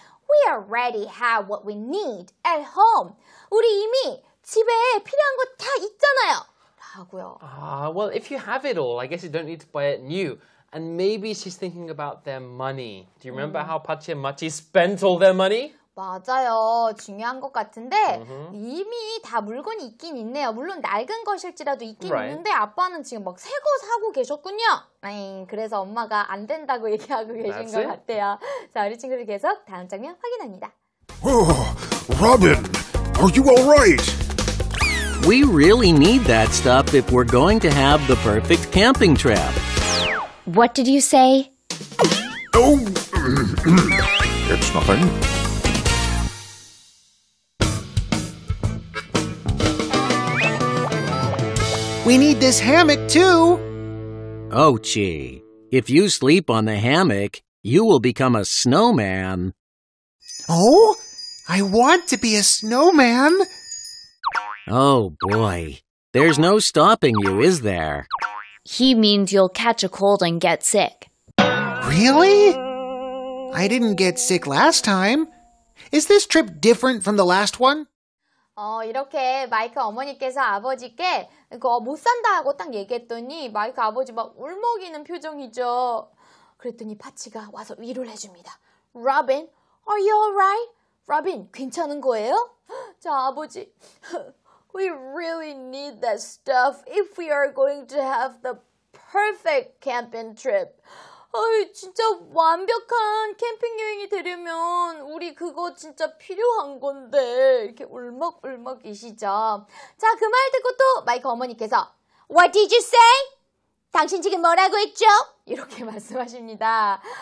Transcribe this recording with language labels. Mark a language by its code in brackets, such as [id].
[en] We already have what we need at home. [ko] 우리 이미 집에 필요한 거 다 있잖아요. [en] Well, if you have it all, I guess you don't need to buy it new. And maybe she's thinking about their money. Do you remember how Pachi and Machi spent all their money? [ko] 맞아요. 중요한 것 같은데 이미 다 물건이 있긴 있네요. 물론 낡은 것일지라도 있긴 있는데 아빠는 지금 막 새 거 사고 계셨군요. 그래서 엄마가 안 된다고 얘기하고 계신 것 같아요. 자, 우리 친구들 계속 다음 장면 확인합니다. [en] Robin, are you all right? We really need that stuff if we're going to have the perfect camping trip. What did you say? Oh, it's nothing. We need this hammock too. Oh, gee. If you sleep on the hammock, you will become a snowman. Oh, I want to be a snowman. Oh, boy. There's no stopping you, is there? He means you'll catch a cold and get sick. Really? I didn't get sick last time. Is this trip different from the last one? [ko] 이렇게 마이크 어머니께서 아버지께 못 산다 하고 딱 얘기했더니 마이크 아버지 막 울먹이는 표정이죠. 그랬더니 파치가 와서 위로를 해줍니다. [en] Robin, are you alright? [ko] Robin, 괜찮은 거예요? 자, 아버지... [en] We really need that stuff if we are going to have the perfect camping trip. [ko] 진짜 완벽한 캠핑 여행이 되려면 우리 그거 진짜 필요한 건데 이렇게 울먹울먹이시죠. 자, 그 말 듣고 또 마이크 어머니께서 [en] What did you say? [ko] 당신 지금 뭐라고 했죠? 이렇게 말씀하십니다.